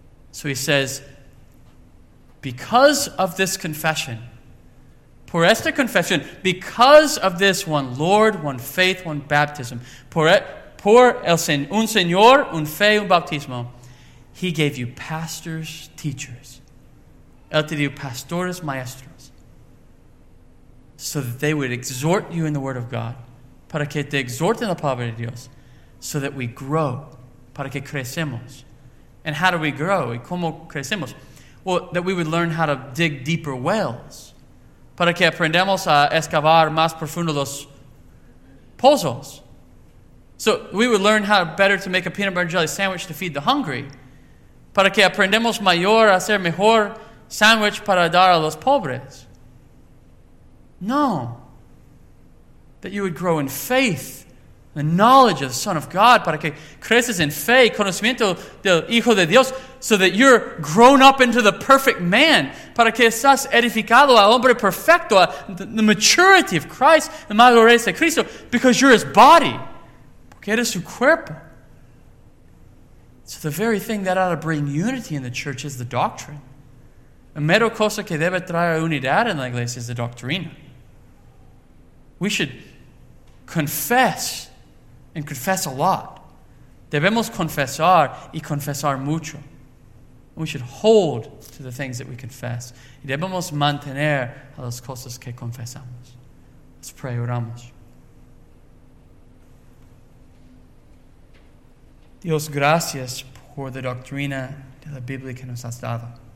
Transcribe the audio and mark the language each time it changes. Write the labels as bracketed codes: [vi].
[en] So he says, because of this confession, [es] por esta confesión, [en] because of this one Lord, one faith, one baptism, [es] un Señor, un fe, un bautismo, [en] he gave you pastors, teachers. [es] Él te dio pastores, maestros. [en] So that they would exhort you in the word of God. [es] Para que te exhorten la palabra de Dios. [en] So that we grow. [es] Para que crecemos. [en] And how do we grow? [es] ¿Y cómo crecemos? [en] Well, that we would learn how to dig deeper wells. [es] Para que aprendamos a excavar más profundo los pozos. [en] So we would learn how better to make a peanut butter and jelly sandwich to feed the hungry. [es] Para que aprendamos mayor a hacer mejor sandwich para dar a los pobres. [en] No. That you would grow in faith, the knowledge of the Son of God, [es] para que creces en fe, conocimiento del Hijo de Dios, [en] so that you're grown up into the perfect man, [es] para que estás edificado al hombre perfecto, [en] the maturity of Christ, the madurez de Cristo, because you're his body, [es] porque eres su cuerpo. [en] So the very thing that ought to bring unity in the church is the doctrine. [es] La mera cosa que debe traer unidad en la iglesia es la doctrina. [en] We should confess, and confess a lot. [es] Debemos confesar y confesar mucho. [en] We should hold to the things that we confess. [es] Y debemos mantener a las cosas que confesamos. [en] Let's pray, [es] oramos. Dios, gracias por la doctrina de la Biblia que nos has dado.